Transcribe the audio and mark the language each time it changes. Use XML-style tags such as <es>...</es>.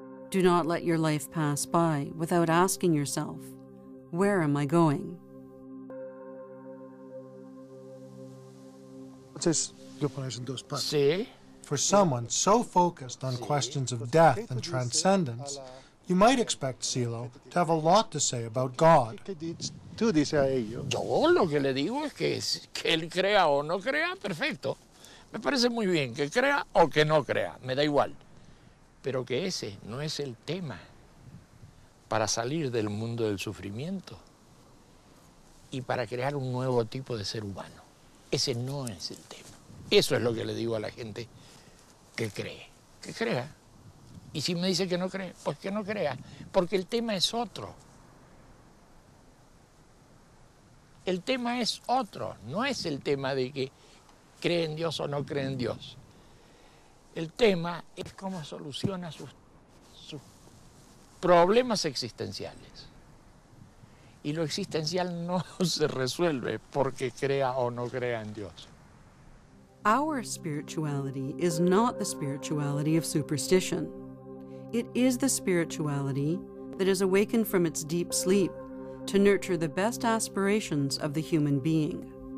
<en>Do not let your life pass by without asking yourself, where am I going?</en> <es>Sí.</es> <en>For someone so focused on questions of death and transcendence, you might expect Silo to have a lot to say about God.</en> <es>Tú dices a ellos. Yo lo que le digo es que él crea o no crea, perfecto. Me parece muy bien que crea o que no crea, me da igual. Pero que ese no es el tema para salir del mundo del sufrimiento y para crear un nuevo tipo de ser humano. Ese no es el tema. Eso es lo que le digo a la gente, que cree, que crea. Y si me dice que no cree, pues que no crea, porque el tema es otro. El tema es otro, no es el tema de que cree en Dios o no cree en Dios. El tema es cómo soluciona sus problemas existenciales. Y lo existencial no se resuelve porque crea o no crea en Dios.</es> <en>Our spirituality is not the spirituality of superstition. It is the spirituality that is awakened from its deep sleep to nurture the best aspirations of the human being.</en>